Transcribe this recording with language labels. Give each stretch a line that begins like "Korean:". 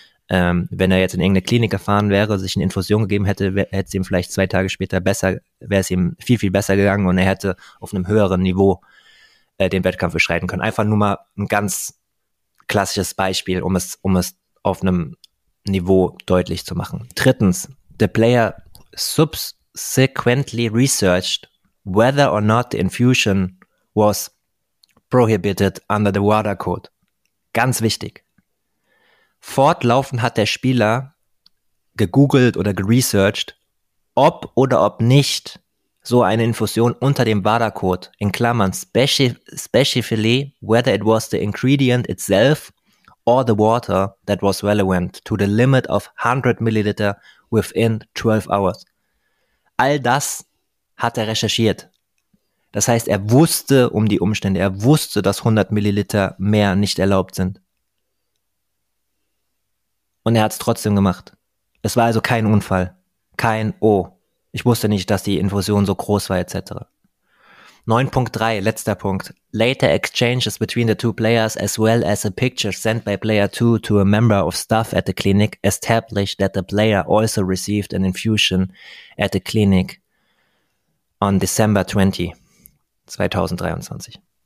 German: Wenn er jetzt in irgendeine Klinik gefahren wäre, sich eine Infusion gegeben hätte, hätte es ihm vielleicht 2 Tage später besser, wäre es ihm viel, viel besser gegangen und er hätte auf einem höheren Niveau den Wettkampf beschreiten können. Einfach nur mal ein ganz klassisches Beispiel, um es auf einem Niveau deutlich zu machen.
English: Drittens, the player subsequently researched whether or not the infusion was prohibited under the WADA code.
German: Ganz wichtig. Fortlaufend hat der Spieler gegoogelt oder geresearched, ob oder ob nicht so eine Infusion unter dem WADA-Code, in Klammern,
English: specifically whether it was the ingredient itself or the water that was relevant to the limit of 100 milliliter within 12 hours.
German: All das hat er recherchiert. Das heißt, er wusste um die Umstände, er wusste, dass 100 milliliter mehr nicht erlaubt sind. Und er hat es trotzdem gemacht. Es war also kein Unfall, kein O. Ich wusste nicht, dass die Infusion so groß war, etc. 9.3, letzter Punkt.
English: Later exchanges between the two players as well as a picture sent by player 2 to a member of staff at the clinic established that the player also received an infusion at the clinic on December 20, 2023.